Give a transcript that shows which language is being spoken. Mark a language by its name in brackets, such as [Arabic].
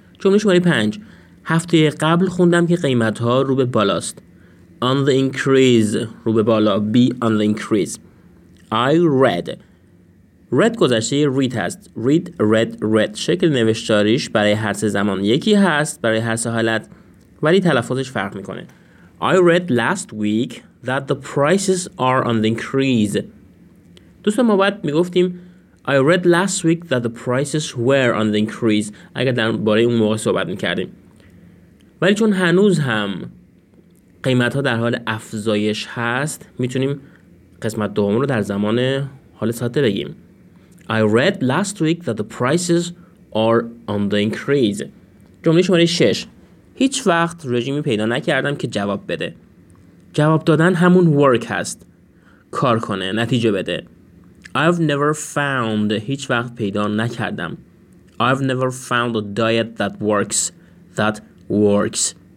[Persian] جمله شماره 5: هفته قبل خوندم که قیمت ها رو به بالاست. [English] On the increase، [Persian] رو به بالا. [English] Be on the increase. I read. Read [Persian] گذشته [English] read [Persian] هست. [English] Read، read، read. [Persian] شکل نوشتاریش برای هر سه زمان یکی هست، برای هر سه حالت، ولی تلفظش فرق میکنه. [English] I read last week that the prices are on the increase. [Persian] دوستان ما باید میگفتیم [English] I read last week that the prices were on the increase، [Persian] اگر در باره اون موقع صحبت میکردیم. ولی چون هنوز هم قیمت ها در حال افزایش هست، میتونیم قسمت دوم رو در زمان حال ساده بگیم. [English] I read last week that the prices are on the increase. [Persian] جمله شماره 6: هیچ وقت رژیمی پیدا نکردم که جواب بده. جواب دادن همون work هست، کار کنه، نتیجه بده. [English] I've never found، [Persian] هیچ وقت پیدا نکردم. [English] I've never found a diet that works. That works.